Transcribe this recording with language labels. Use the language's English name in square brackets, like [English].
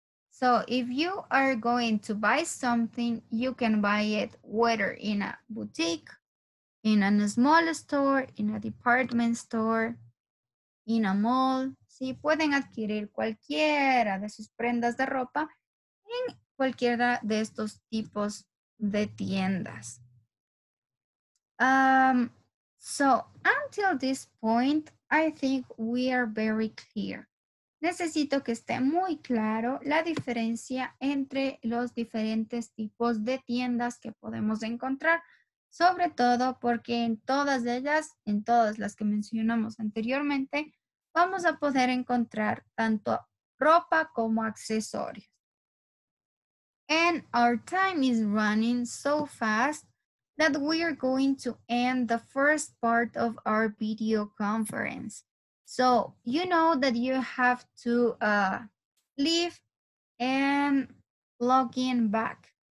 [English] So, if you are going to buy something, you can buy it whether in a boutique, in a small store, in a department store, in a mall. [Spanish] Sí, pueden adquirir cualquiera de sus prendas de ropa en cualquiera de estos tipos de tiendas. [English] So until this point, I think we are very clear. [Spanish] Necesito que esté muy claro la diferencia entre los diferentes tipos de tiendas que podemos encontrar, sobre todo porque en todas ellas, en todas las que mencionamos anteriormente, vamos a poder encontrar tanto ropa como accesorios. [English] And our time is running so fast that we are going to end the first part of our video conference. So you know that you have to leave and log in back.